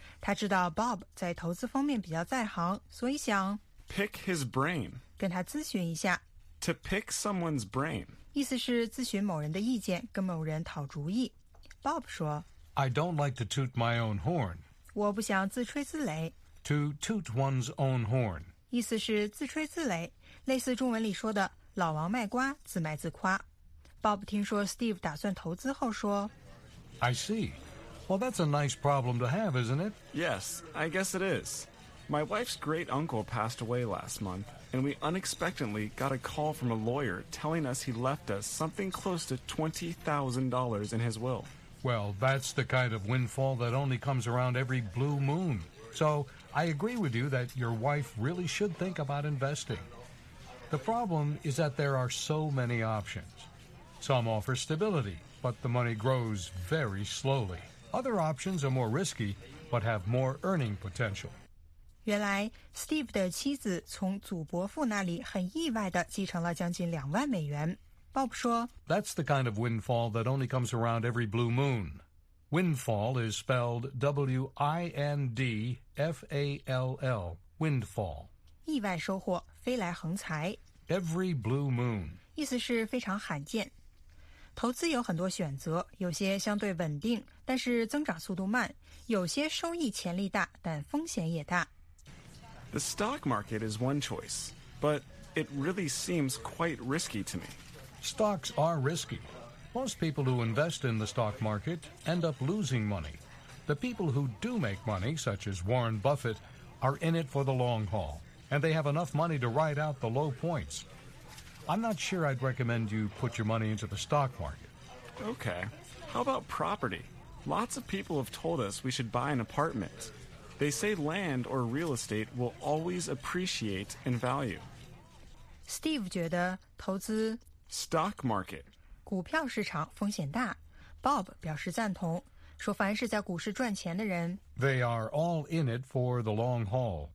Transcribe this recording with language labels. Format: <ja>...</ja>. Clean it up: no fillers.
<zh>他知道 Bob 在投资方面比较在行，所以想</zh> <en>pick his brain，</en> <zh>跟他咨询一下。</zh> <en>To pick someone's brain，</en> <zh>意思是咨询某人的意见，跟某人讨主意。 Bob 说</zh> <en>：“I don't like to toot my own horn。”</en> <zh>我不想自吹自擂。</zh> <en>To toot one's own horn，</en> <zh>意思是自吹自擂，类似中文里说的“老王卖瓜，自卖自夸”。 Bob 听说 Steve 打算投资后说</zh> <en>I see. Well, that's a nice problem to have, isn't it? Yes, I guess it is. My wife's great uncle passed away last month, and we unexpectedly got a call from a lawyer telling us he left us something close to $20,000 in his will. Well, that's the kind of windfall that only comes around every blue moon. So I agree with you that your wife really should think about investing. The problem is that there are so many options. Some offer stability, but the money grows very slowly. Other options are more risky, but have more earning potential.</en> <zh>原来 Steve 的妻子从祖伯父那里很意外地继承了将近$20,000。 Bob 说</zh> <en>That's the kind of windfall that only comes around every blue moon. Windfall is spelled W-I-N-D-F-A-L-L. Windfall.</en> <zh>意外收获，飞来横财。</zh> <en>Every blue moon.</en> <zh>意思是非常罕见。投资有很多选择，有些相对稳定，但是增长速度慢；有些收益潜力大，但风险也大。</zh> <en>The stock market is one choice, but it really seems quite risky to me. Stocks are risky. Most people who invest in the stock market end up losing money. The people who do make money, such as Warren Buffett, are in it for the long haul, and they have enough money to ride out the low points. I'm not sure I'd recommend you put your money into the stock market. Okay. How about property? Lots of people have told us we should buy an apartment. They say land or real estate will always appreciate in value.</en> <zh>Steve 觉得投资</zh> <en>stock market</en> <zh>股票市场风险大。 Bob 表示赞同，说凡是在股市赚钱的人</zh> <en>they are all in it for the long haul</en>